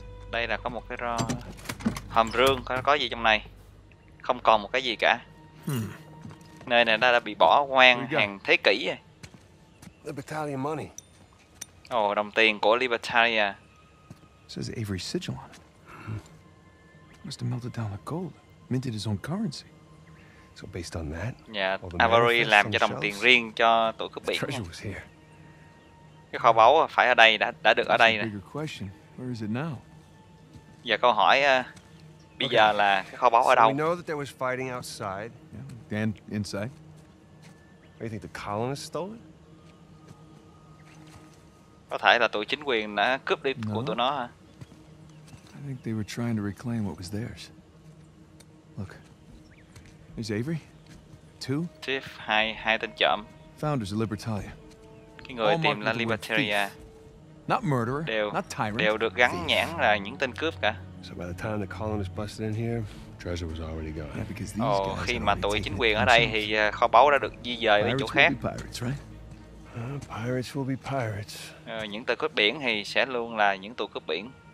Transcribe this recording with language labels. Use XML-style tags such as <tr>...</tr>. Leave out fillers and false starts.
<vi>Đây là có một cái hầm rương, có gì trong này. Không còn một cái gì cả. Nơi này đã bị bỏ hoang hàng thế kỷ rồi.</vi> <en>Libertarian money.</en> <vi>Oh, đồng tiền của Libertaria.</vi> <en>Says Avery's sigil on it. Must have melted down the gold, minted his own currency. So based on that,</en> <vi>yeah, Avery làm cho đồng tiền riêng cho tụi cướp biển.</vi> <en>Treasure was here.</en> <vi>Cái kho báu phải ở đây, đã được ở đây nè.</vi> <en>Where is it now?</en> <vi>Giờ câu hỏi bây giờ là cái kho báu ở đâu?</vi> <en>We know that there was fighting outside. And inside. Do you think the colonists stole it?</en> <vi>Có thể là tụi chính quyền đã cướp đi của tụi nó hả?</vi> <en>I think they were trying to reclaim what was theirs. Look. Is Avery? Two?</en> <vi>Tiff, hai tên trộm.</vi> <en>Founders of Libertalia.</en> <vi>Cái người tìm là Libertaria.</vi> <en>Not murderer, not tyrant.</en> <vi>Đều được gắn nhãn là những tên cướp cả.</vi> <en>So by the time the colonists busted in here, treasure was already gone. Yeah, because these</en> <vi>khi mà tụi chính quyền ở đây thì kho báu đã được di dời đi chỗ khác.</vi> <en>Pirates, right? Pirates will be pirates.</en> <vi>Những tụi cướp biển thì sẽ luôn là những tụi cướp biển.</vi>